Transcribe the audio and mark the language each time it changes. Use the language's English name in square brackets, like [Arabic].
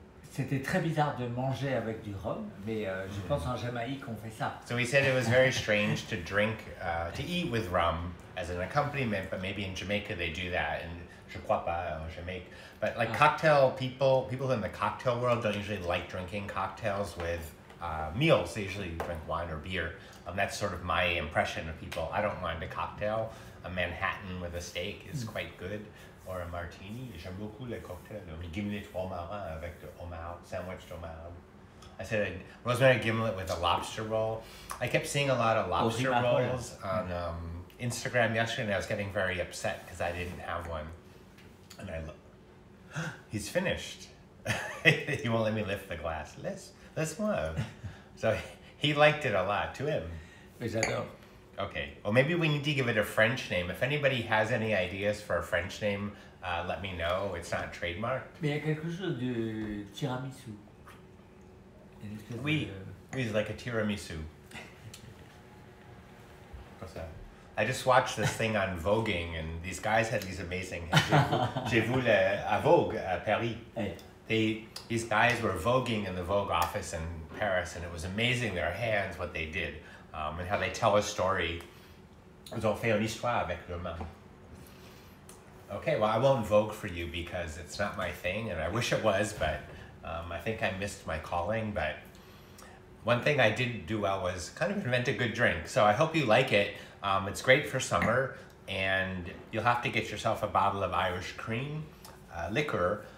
[French] C'était très bizarre de manger avec du rhum, mais je pense en Jamaïque on fait ça. [English] So he said it was very strange to drink, to eat with rum as an accompaniment, but maybe in Jamaica they do that, and [French] je crois pas en Jamaïque. [English] But like cocktail people in the cocktail world don't usually like drinking cocktails with meals. They usually drink wine or beer. That's sort of my impression of people. I don't mind a cocktail. A Manhattan with a steak is quite good. Or a martini. [French] J'aime beaucoup les cocktails. Le gimlet au marin avec de homard, sandwiched homard. [English] I said a rosemary gimlet with a lobster roll. I kept seeing a lot of lobster rolls on Instagram yesterday, and I was getting very upset because I didn't have one. And I look. He's finished. He won't let me lift the glass. [French] Laisse-moi. [English] So he liked it a lot to him. [French] J'adore. [English] Okay. Well, maybe we need to give it a French name. If anybody has any ideas for a French name, let me know. It's not a trademark. [French] Mais il y a quelque chose de tiramisu. [English] Oui. De... He's like a tiramisu. What's that? I just watched this thing on Voguing, and these guys had these amazing... [French] J'ai vu le, à Vogue, à Paris. [English] They, these guys were Voguing in the Vogue office in Paris, and it was amazing, their hands, what they did, and how they tell a story. [French] Ils ont fait une histoire avec leurs mains. [English] Okay, well, I won't Vogue for you because it's not my thing, and I wish it was, but I think I missed my calling. But one thing I did do well was kind of invent a good drink, so I hope you like it. It's great for summer, and you'll have to get yourself a bottle of Irish cream liquor.